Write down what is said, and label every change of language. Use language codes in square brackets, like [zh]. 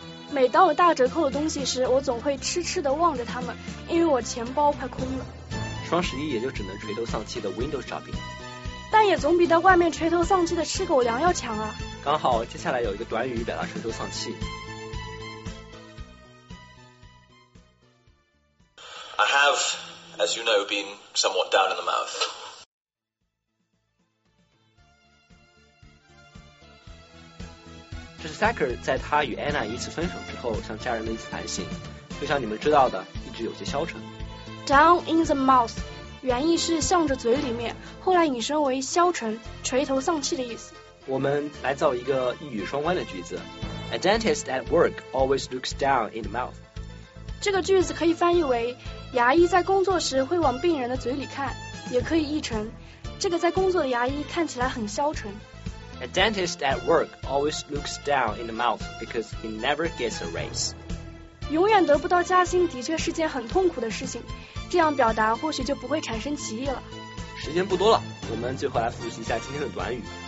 [zh] 每当我大折扣的东西时，我总会痴痴地望着他们，因为我钱包快空了。双十一也就只能垂头丧气的 window shopping，但也总比到外面垂头丧气的吃狗粮要强啊。刚好接下来有一个短语表达垂头丧气。 [en] I have, as you know, been somewhat down in the mouth. [zh] 这是 Thacker 在他与 Anna 一次分手之后向家人的一次反省，就像你们知道的，一直有些消沉。 Down in the mouth 原意是向着嘴里面，后来引申为消沉、垂头丧气的意思。我们来造一个一语双关的句子。 [en] A dentist at work always looks down in the mouth. [zh] 这个句子可以翻译为牙医在工作时会往病人的嘴里看，也可以译成这个在工作的牙医看起来很消沉。 [en] A dentist at work always looks down in the mouth because he never gets a raise. [zh] 永远得不到加薪的确是件很痛苦的事情，这样表达或许就不会产生歧义了。时间不多了，我们最后来复习一下今天的短语。